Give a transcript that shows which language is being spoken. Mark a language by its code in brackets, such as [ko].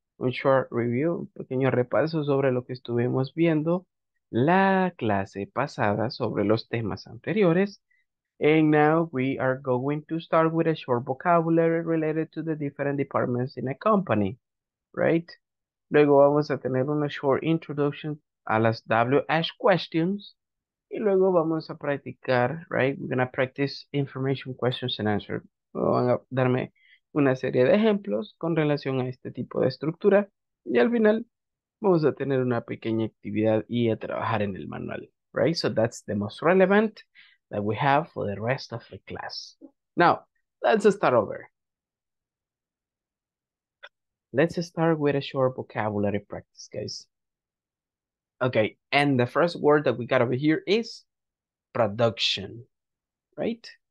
[es] Un [en] short review, [es] un pequeño repaso sobre lo que estuvimos viendo la clase pasada sobre los temas anteriores. [en] And now we are going to start with a short vocabulary related to the different departments in a company, right? [es] Luego vamos a tener una [en] short introduction [es] a las WH questions. Y luego vamos a practicar, [en] right? We're going to practice information questions and answers. [es] Van a darme una serie de ejemplos con relación a este tipo de estructura. Y al final vamos a tener una pequeña actividad y a trabajar en el manual, right? [en] So that's the most relevant that we have for the rest of the class. Now, let's start over. Let's start with a short vocabulary practice, guys. Okay, and the first word that we got over here is production, right?